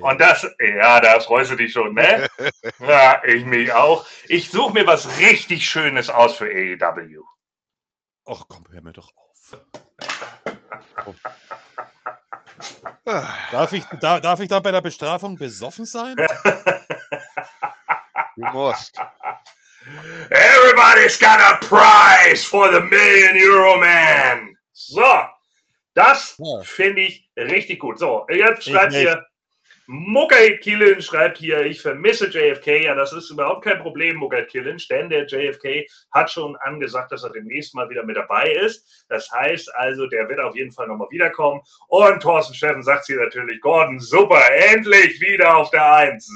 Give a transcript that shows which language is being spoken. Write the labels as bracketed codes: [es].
[de] Und das, da freust du dich schon, ne? Ja, ich mich auch. Ich suche mir was richtig Schönes aus für AEW. Ach komm, hör mir doch auf. Darf ich dann bei der Bestrafung besoffen sein? Du musst. [en] Everybody's got a prize for the Million Euro Man. [de] So, das finde ich richtig gut. So, jetzt schreibt hier. Muckert Killen schreibt hier, ich vermisse JFK. Ja, das ist überhaupt kein Problem, Muckert Killen, denn der JFK hat schon angesagt, dass er demnächst mal wieder mit dabei ist. Das heißt also, der wird auf jeden Fall nochmal wiederkommen. Und Thorsten Steffen sagt hier natürlich, Gordon, super, endlich wieder auf der 1.